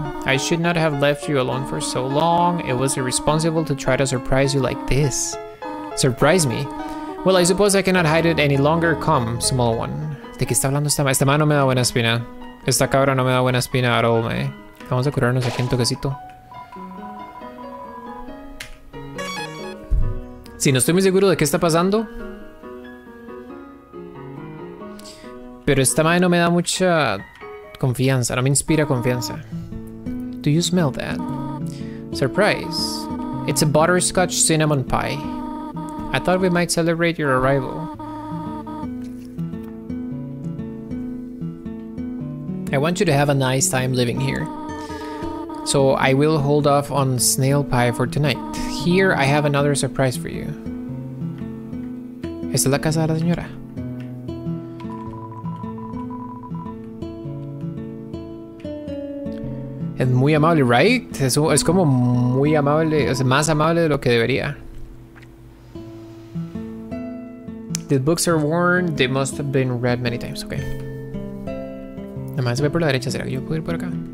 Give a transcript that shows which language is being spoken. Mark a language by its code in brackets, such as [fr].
[en] I should not have left you alone for so long. It was irresponsible to try to surprise you like this. Surprise me? Well, I suppose I cannot hide it any longer. Come, small one. [es] ¿De qué está hablando esta madre? Esta madre no me da buena espina. Esta cabra no me da buena espina [en] at all, man. [es] Vamos a curarnos aquí en toquecito. Sí, no estoy muy seguro de qué está pasando. Pero esta madre no me da mucha confianza. No me inspira confianza. [en] Do you smell that? Surprise. It's a butterscotch cinnamon pie. I thought we might celebrate your arrival. I want you to have a nice time living here. So I will hold off on snail pie for tonight. Here I have another surprise for you. [es] Esta es la casa de la señora. Es muy amable, right? Es como muy amable, es más amable de lo que debería. [en] The books are worn, they must have been read many times, okay. [es] Nada más se ve por la derecha, ¿será que yo puedo ir por acá?